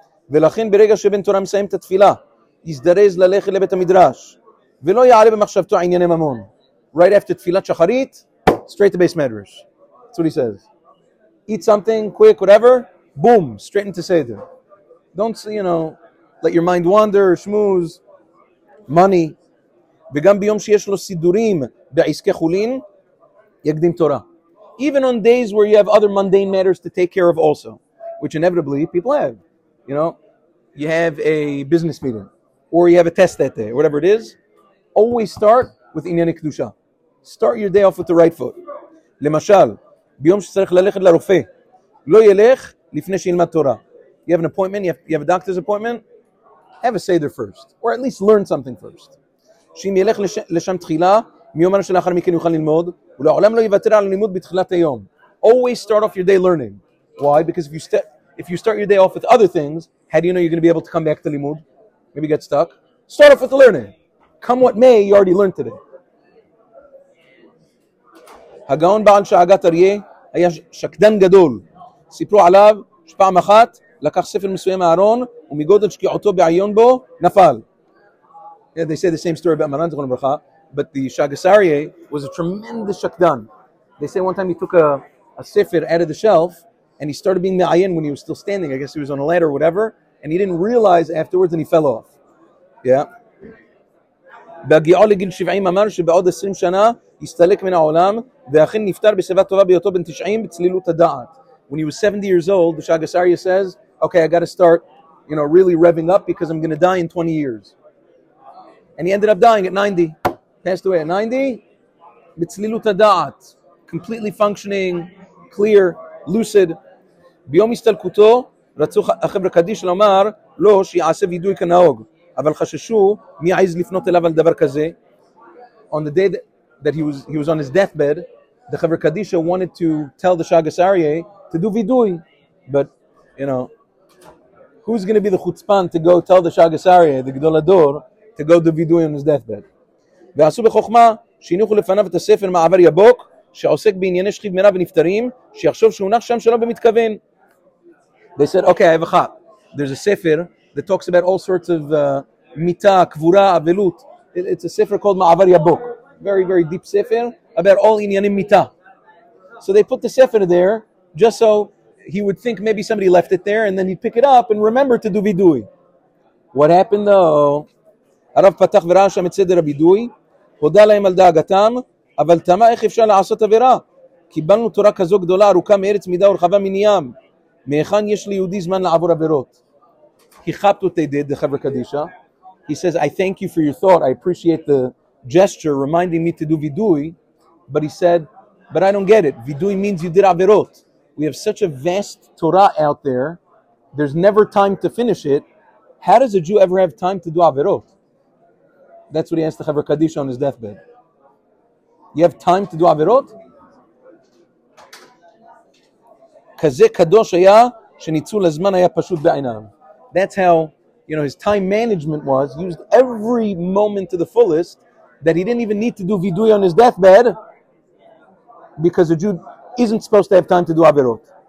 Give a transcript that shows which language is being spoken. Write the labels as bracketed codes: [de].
[he] ולכן ברגע שבן תורה מסיים את התפילה, יזדרז ללכת לבית המדרש, ולא יעלה במחשבתו ענייני ממון. [en] Right after [he] תפילת שחרית, [en] straight to base medrash. That's what he says. Eat something, quick, whatever, boom, straight into seder. Don't, you know, let your mind wander, schmooze, money. [he] וגם ביום שיש לו סידורים בעסקי חולין, יקדים תורה. [en] Even on days where you have other mundane matters to take care of also, which inevitably people have. You know, you have a business meeting, or you have a test that day, whatever it is, always start with Inyani Kedusha. Start your day off with the right foot. [he] למשל, ביום שצריך ללכת לרופא, לא ילך לפני שילמד תורה. [en] You have an appointment, you have a doctor's appointment, have a Seder first, or at least learn something first. [he] שאם ילך לשם תחילה, מיומן שלאחר מכן יוכל ללמוד, ולעולם לא יוותר על לימוד בתחילת היום. [en] Always start off your day learning. Why? Because if you start your day off with other things, how do you know you're going to be able to come back to limud? Maybe get stuck. Start off with the learning. Come what may, you already learned today. [he] הגאון בעל שאגת אריה היה שקדן גדול. סיפרו עליו שפעם אחת לקח ספר מסוים מהארון ומגודל שקיעותו בעיון בו נפל. [en] Yeah, they say the same story about Maran Zichrono Berakha, but the Shagas Aryeh was a tremendous shakdan. They say one time he took a sefer out of the shelf and he started being me'ayin when he was still standing. I guess he was on a ladder or whatever, and he didn't realize afterwards and he fell off. Yeah. [he] בהגיעו לגיל 70 אמר שבעוד 20 שנה יסתלק מן העולם, ואכן נפטר בשיבה טובה ביותו בן 90 בצלילות הדעת. [en] When he was 70 years old, the Shagas Aryeh says, okay, I got to start, you know, really revving up because I'm going to die in 20 years. And he ended up dying at 90. Passed away at 90. [he] בצלילות הדעת. [en] Completely functioning, clear, lucid. [he] ביום הסתלקותו, רצו החבר קדיש לומר לו שיעשה וידוי כנהוג. אבל חששו מי יעז לפנות אליו על דבר כזה. [en] On the day that he was on his deathbed, the חבר קדישה wanted to tell the Shagas Aryeh to do vidui. But, you know, who's going to be the chutzpan to go tell the Shagas Aryeh, the Gdol Hador, to go do vidui on his deathbed? [he] ועשו בחוכמה שהניחו לפניו את הספר מעבר יבוק, שעוסק בענייני שכיב מרע ונפטרים, שיחשוב שהונח שם שלום במתכוון. [en] They said, okay, I have a chat. There's a sefer that talks about all sorts of mita, kvura, avelut. It's a sefer called Ma'avar Yabok. Very, very deep sefer about all inyanim mita. So they put the sefer there just so he would think maybe somebody left it there and then he'd pick it up and remember to do vidui. What happened though? [he] הרב פתח וראה שם את סדר הבידוי, הודה להם על דאגתם, אבל תמה איך אפשר לעשות עבירה? קיבלנו תורה כזו גדולה, ארוכה מארץ מידה ורחבה מן ים. מאיכן יש ליהודי זמן לעבור עבירות? [en] He chapped what they did, the Chavra Kadisha. He says, I thank you for your thought, I appreciate the gesture reminding me to do vidui. But he said, but I don't get it. Vidui means you did עבירות. We have such a vast Torah out there, there's never time to finish it. How does a Jew ever have time to do עבירות? That's what he asked the Chavra Kadisha on his deathbed. You have time to do עבירות? [he] כזה קדוש היה שניצול הזמן היה פשוט בעיניו. [en] That's how, you know, his time management was. He used every moment to the fullest that he didn't even need to do vidui on his deathbed because a Jew isn't supposed to have time to do עבירות.